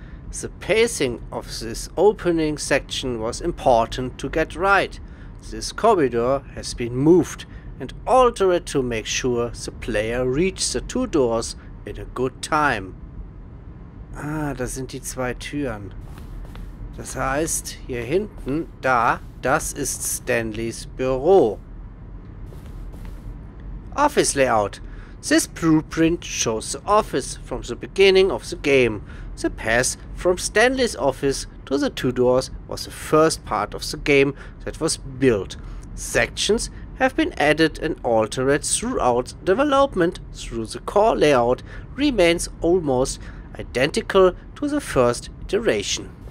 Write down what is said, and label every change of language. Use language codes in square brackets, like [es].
[en] The pacing of this opening section was important to get right. This corridor has been moved and altered to make sure the player reached the two doors in a good time. [de] Ah, da sind die zwei Türen. Das heißt, hier hinten, da, das ist Stanleys Büro. [en] Office layout. This blueprint shows the office from the beginning of the game. The path from Stanley's office to the two doors was the first part of the game that was built. Sections have been added and altered throughout development through the core layout remains almost identical to the first iteration.